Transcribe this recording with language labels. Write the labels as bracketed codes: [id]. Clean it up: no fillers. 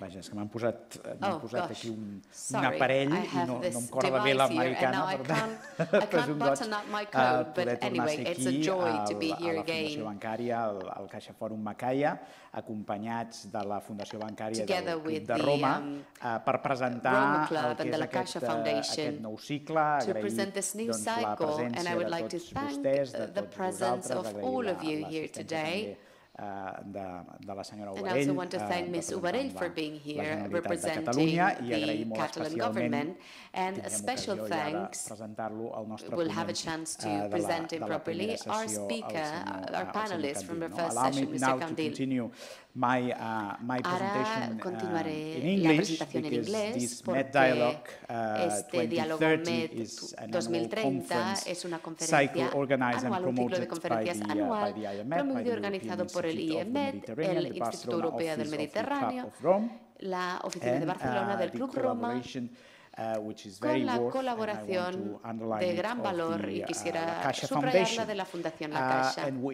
[ca] Vaja, és que m'han posat aquí un aparell i no em corda bé l'americana, però és un goig poder tornar a ser aquí a la Fundació Bancària, al Caixa Fòrum Macaia, acompanyats de la Fundació Bancària de Roma, per presentar el que és aquest nou cicle. [en] To present this new cycle, and I would like to thank the presence of all of you here today. And I also want to thank Ms. Ubarell for being here representing the Catalan government, and a special thanks, we'll have a chance to present him properly, our speaker, our panelist from the first session, Mr. Candil. [es] Ahora continuaré la presentación en inglés porque este diálogo MED 2030 es una conferencia anual, un ciclo de conferencias anual promovido y organizado por el lEMed, el Instituto Europeo del Mediterráneo, la Oficina de Barcelona del Club Roma, con la colaboración de gran valor y quisiera subrayarla de la Fundación la Caixa.